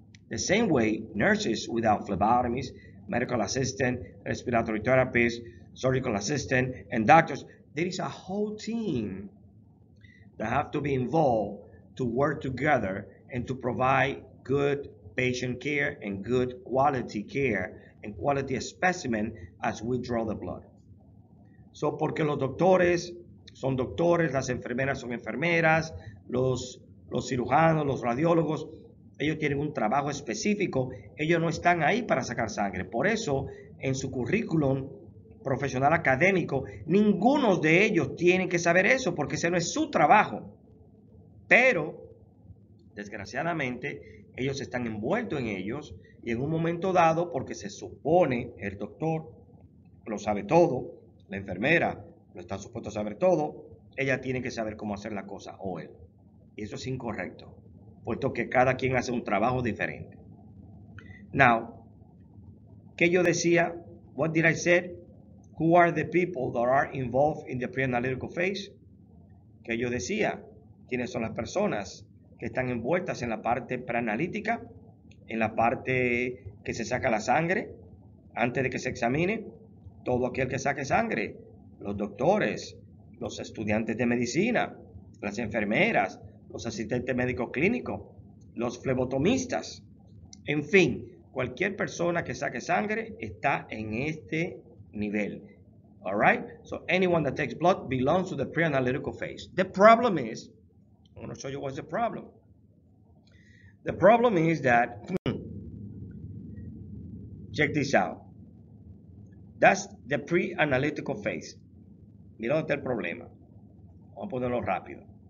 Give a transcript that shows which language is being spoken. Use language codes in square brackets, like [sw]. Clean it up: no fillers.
[en] The same way, nurses without phlebotomies, medical assistant, respiratory therapist, surgical assistant, and doctors, there is a whole team that have to be involved to work together and to provide good patient care and good quality care and quality specimen as we draw the blood. So, [es] porque los doctores son doctores, las enfermeras son enfermeras, los cirujanos, los radiólogos, ellos tienen un trabajo específico, ellos no están ahí para sacar sangre. Por eso, en su currículum profesional académico, ninguno de ellos tiene que saber eso, porque ese no es su trabajo. Pero, desgraciadamente, ellos están envueltos en ellos, y en un momento dado, porque se supone el doctor lo sabe todo, la enfermera lo está supuesto a saber todo, ella tiene que saber cómo hacer la cosa, o él. Y eso es incorrecto, puesto que cada quien hace un trabajo diferente. [en] Now, [es] ¿qué yo decía? [en] What did I say? Who are the people that are involved in the pre-analytical phase? [es] ¿Qué yo decía? ¿Quiénes son las personas que están envueltas en la parte preanalítica, en la parte que se saca la sangre antes de que se examine? Todo aquel que saque sangre, los doctores, los estudiantes de medicina, las enfermeras, los asistentes médicos clínicos, los flebotomistas, en fin, cualquier persona que saque sangre está en este nivel. [en] All right? So anyone that takes blood belongs to the pre-analytical phase. The problem is, I'm going to show you what's the problem. The problem is that, check this out. That's the pre-analytical phase. [es] Mira dónde está el problema. Vamos a ponerlo rápido.